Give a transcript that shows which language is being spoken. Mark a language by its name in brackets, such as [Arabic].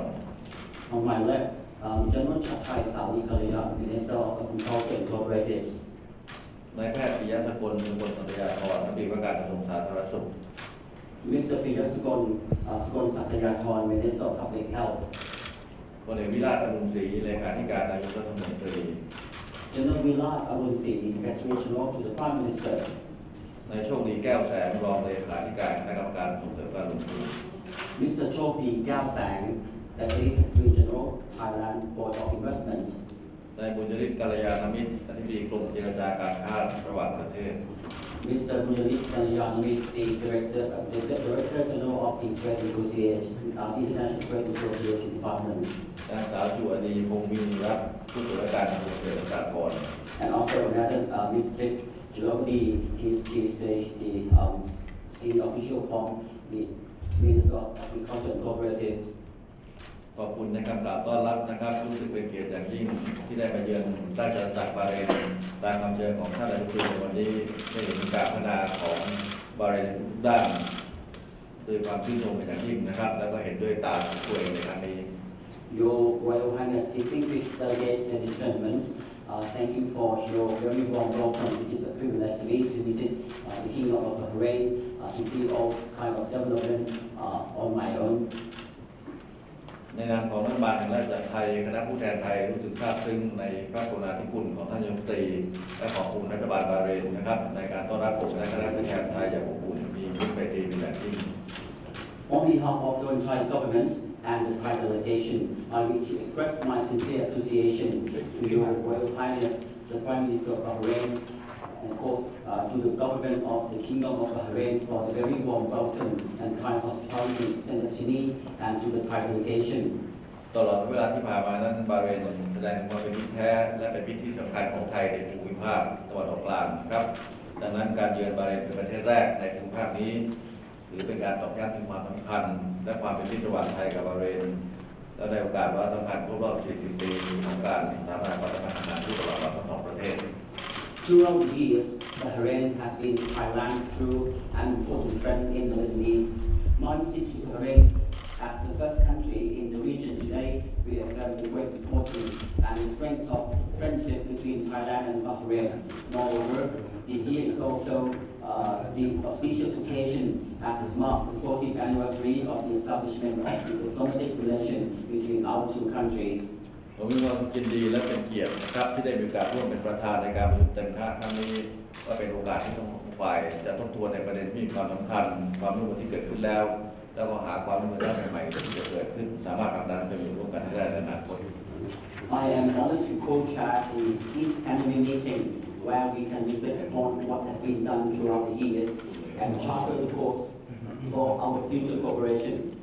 [English] ณ์ On my left, General Chat Chai Sarikalaya, Minister of Agriculture and Cooperatives. [Thai] นายแพทย์ปิยะสกลสกลสัตยาธรรัฐมนตรีว่าการกระทรวงสาธารณสุข [English] Mr. ปิยะสกลสกลสัตยาธร Minister of Public Health. [Thai] พลเอกวิราชอรุณศรีเลขาธิการนายกรัฐมนตรี [English] General Vilas Arunsi is Secretary General to the Prime Minister. [Thai] ในโชคดีแก้วแสงรองเลขาธิการคณะกรรมการส่งเสริมการลงทุน [English] Mr. โชคดีแก้วแสง Deputy Secretary General Thailand Board of Investment [Thai] นายบุญยฤทธิ์กัลยาณมิตรอธิบดีกรมเจรจาการค้าระหว่างประเทศ [English] Mr. บุญยฤทธิ์กัลยาณมิตร The Director of the Director General of the Trade Negotiation International Trade Negotiation Department [Thai] นางสาวจุอดีพงศ์มีรัตน์ผู้ตรวจการส่งเสริมการก่อน [English] And also another Mr. Germany, the senior official from the Minister of Agriculture and Cooperatives. [Thai] ขอบคุณในคำกล่าวต้อนรับนะครับรู้สึกเป็นเกียรติอย่างยิ่งที่ได้มาเยือนราชอาณาจักรบาเรนตามคำเชิญของท่านรัฐมนตรีวันนี้ได้เห็นการพัฒนาของบาเรนทุกด้านด้วยความชื่นชมเป็นอย่างยิ่งนะครับแล้วก็เห็นด้วยตาของตัวเองในครั้งนี้ [English] Your Royal Highness, distinguished delegates and gentlemen. Thank you for your very warm welcome. It is a privilege to me to visit the Kingdom of Bahrain to see all kind of development on my own. [Thai] ในนามของรัฐบาลและจากไทยคณะผู้แทนไทยรู้สึกซาบซึ้งในพระกรุณาธิคุณของท่านนายกรัฐมนตรีและขอบคุณรัฐบาลบาเรนนะครับในการต้อนรับผมและคณะผู้แทนไทยอย่างอบอุ่นมีมิตรใจดีเป็นอย่างยิ่ง [English] On behalf of the Thai government. And the Thai delegation, I wish to express my sincere appreciation to Your Royal Highness, the Prime Minister of Bahrain, and of course to the government of the Kingdom of Bahrain for the very warm welcome and kind hospitality extended to me and to the Thai delegation. [Thai] ตลอดเวลาที่ผ่านมานั้นบาเรนแสดงความเป็นมิตรแท้และเป็นมิตรที่สำคัญของไทยในภูมิภาคตะวันออกกลางครับดังนั้นการเยือนบาเรนเป็นประเทศแรกในภูมิภาคนี้หรือเป็นการตอบย้ำถึงความสำคัญและความเป็นมิตรระหว่างไทยกับบาเรนและในโอกาสว่าสำคัญครบรอบ40ปีของการสานต่อความสัมพันธ์ที่ตลอดมาของสองประเทศ [English] Throughout the years, Bahrain has been Thailand's true and important friend in the Middle East. My visit to Bahrain as the first country in the region today reaffirms the great importance and strength of friendship between Thailand and Bahrain. Moreover, this year is alsothe auspicious occasion as it marks the 40th anniversary of the establishment of the diplomatic relations between our two countries. [Thai] ผมมีความยินดีและเป็นเกียรตินะครับที่ได้มีโอกาสร่วมเป็นประธานในการประชุมเต็มคณะครั้งนี้ก็เป็นโอกาสที่ทั้งสองฝ่ายจะทบทวนในประเด็นที่มีความสำคัญความร่วมมือที่เกิดขึ้นแล้วแล้วก็หาความร่วมมือด้านใหม่ๆที่จะเกิดขึ้นสามารถผลักดันไปร่วมกันได้ในอนาคต [English] I am honored to co-chair the East Annual Meeting. Where we can reflect upon what has been done throughout the years and charter the course for our future cooperation.